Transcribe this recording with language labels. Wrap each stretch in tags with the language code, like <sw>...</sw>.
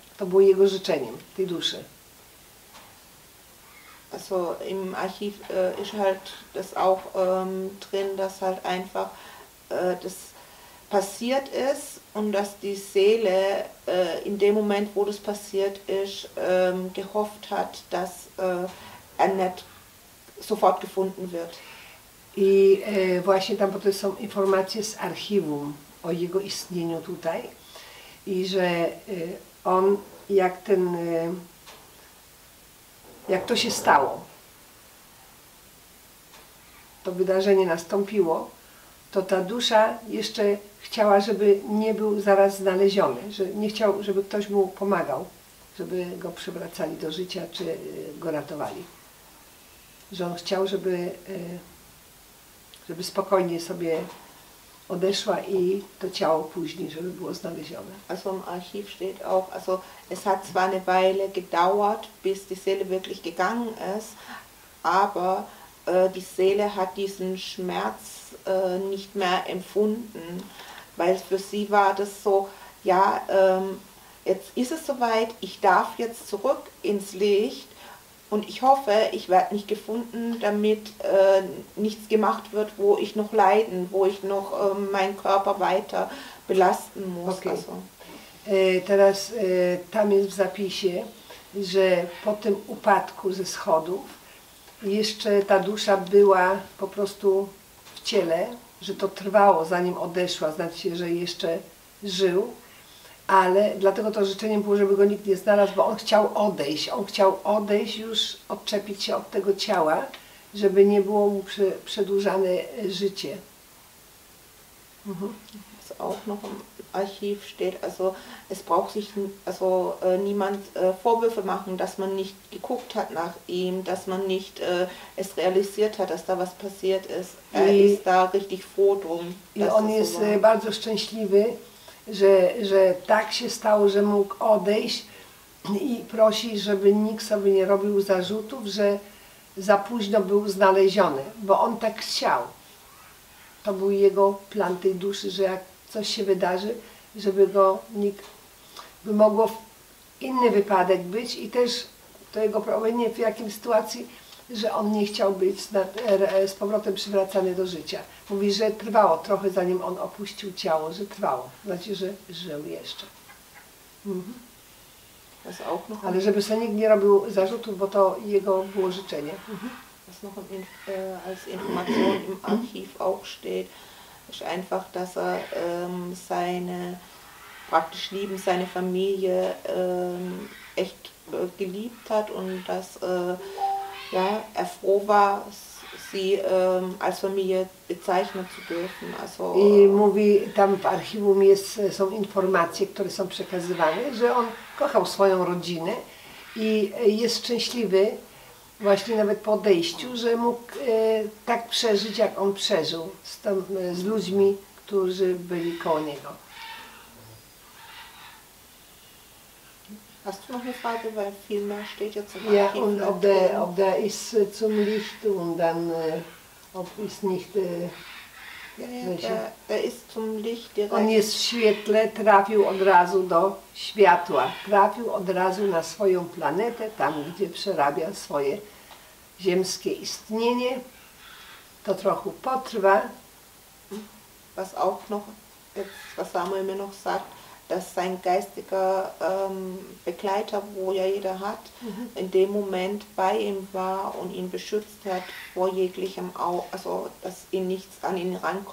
<pl>To było jego życzeniem, tej duszy.</pl> <de>Also im Archiv ist halt das auch drin, dass halt einfach das passiert ist und dass die Seele in dem Moment, wo das passiert ist, gehofft hat, dass er nicht sofort gefunden wird.</de> <pl>I właśnie tam potem są informacje z archiwum o jego istnieniu tutaj i że on jak ten jak to się stało, to wydarzenie nastąpiło. to ta dusza jeszcze chciała, żeby nie był zaraz znaleziony, że nie chciał, żeby ktoś mu pomagał, żeby go przywracali do życia, czy go ratowali. Że on chciał, żeby spokojnie sobie odeszła i to ciało później, żeby było znalezione.</pl> <de>Also im Archiv steht auch, also es hat zwar eine Weile gedauert, bis die Seele wirklich gegangen ist, aber die Seele hat diesen Schmerz nicht mehr empfunden, weil für sie war das so, ja, jetzt ist es soweit, ich darf jetzt zurück ins Licht und ich hoffe, ich werde nicht gefunden, damit nichts gemacht wird, wo ich noch leiden, wo ich noch meinen Körper weiter belasten muss. Okay. Also.</de> <pl>Teraz tam jest w zapisie, że po tym upadku ze schodów jeszcze ta dusza była po prostu w ciele, że to trwało, zanim odeszła, znaczy się, że jeszcze żył. Ale dlatego to życzeniem było, żeby go nikt nie znalazł, bo on chciał odejść już, odczepić się od tego ciała, żeby nie było mu przedłużane życie. Mhm.</pl> <de>Also auch noch im Archiv steht, also es braucht sich also niemand Vorwürfe machen, dass man nicht geguckt hat nach ihm, dass man nicht es realisiert hat, dass da was passiert ist. Er ist da richtig froh drum.</de> <pl>I on jest bardzo szczęśliwy, że tak się stało, że mógł odejść i prosi, żeby nikt sobie nie robił zarzutów, że za późno był znaleziony, bo on tak chciał. To był jego plan tej duszy, że jak coś się wydarzy, żeby go nikt, by mogło inny wypadek być i też to jego problem w jakiejś sytuacji, że on nie chciał być z powrotem przywracany do życia. Mówi, że trwało trochę, zanim on opuścił ciało, że trwało. Znaczy, że żył jeszcze. Mhm. Ale żeby sobie nikt nie robił zarzutów, bo to jego było życzenie.</pl> <de>Was noch als Information im Archiv auch steht, ist einfach, dass er seine praktisch lieben, seine Familie echt geliebt hat und dass ja, er froh war, sie als Familie bezeichnen zu dürfen. Also,</de> <pl>i mówi, tam w archiwum jest, są informacje, które są przekazywane, że on kochał swoją rodzinę i jest szczęśliwy właśnie nawet po odejściu, że mógł tak przeżyć, jak on przeżył z ludźmi, którzy byli koło niego.</pl> <de>Hast du noch eine Frage, weil viel mehr steht jetzt im Archiv? Ja, und ob der ist zum Licht und dann, ob ist nicht, der ist zum Licht direkt.</de> <pl>On jest w świetle, trafił od razu do światła, trafił od razu na swoją planetę, tam gdzie przerabia swoje ziemskie istnienie, to trochę potrwa.</pl> <de>Was auch noch, jetzt, was Samuel mir noch sagt, dass sein geistiger Begleiter, wo ja jeder hat, in dem Moment bei ihm war und ihn beschützt hat vor jeglichem, also dass ihn nichts an ihn rankommt.</de>